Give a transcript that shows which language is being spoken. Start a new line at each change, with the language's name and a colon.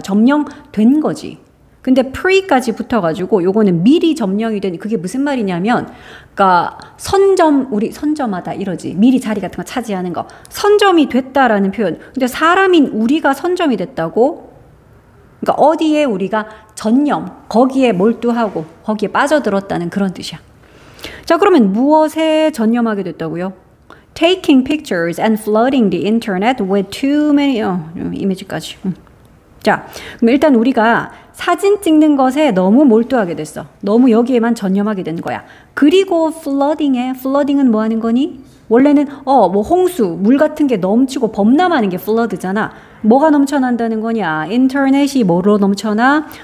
Korean: 점령된 거지. 근데 pre까지 붙어가지고 요거는 미리 점령이 된, 그게 무슨 말이냐면, 그러니까 선점, 우리 선점하다 이러지. 미리 자리 같은 거 차지하는 거. 선점이 됐다라는 표현. 근데 사람인 우리가 선점이 됐다고? 그러니까 어디에 우리가 전념, 거기에 몰두하고 거기에 빠져들었다는 그런 뜻이야. 자, 그러면 무엇에 전념하게 됐다고요?
English: Taking pictures and flooding the internet with too many 이미지까지.
Korean: 자, 그럼 일단 우리가 사진 찍는 것에 너무 몰두하게 됐어. 너무 여기에만 전념하게 된 거야. 그리고 flooding에, flooding은 뭐 하는 거니? 원래는 뭐 홍수, 물 같은 게 넘치고 범람하는 게 flood잖아. 뭐가 넘쳐난다는 거냐? 인터넷이 뭐로 넘쳐나?